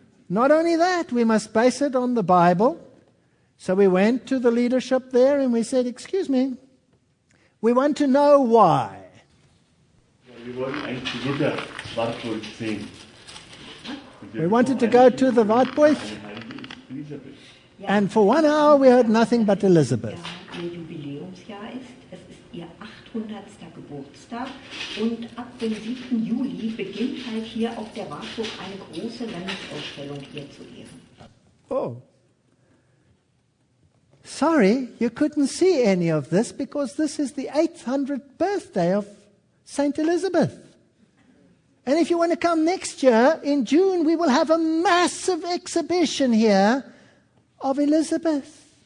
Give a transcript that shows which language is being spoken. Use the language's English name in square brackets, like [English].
[English] Not only that, we must base it on the Bible. So we went to the leadership there and we said, excuse me, we want to know why. We wanted to go to the Wartburg. And for 1 hour we heard nothing but Elizabeth. [German] Ihr Jubiläumsjahr ist, es ist ihr 800. Geburtstag und ab dem 7. Juli beginnt halt hier auf der Wartburg eine große Landesausstellung hier zu ehren. Oh. [English] Sorry, you couldn't see any of this because this is the 800th birthday of Saint Elizabeth. And if you want to come next year in June, we will have a massive exhibition here of Elizabeth.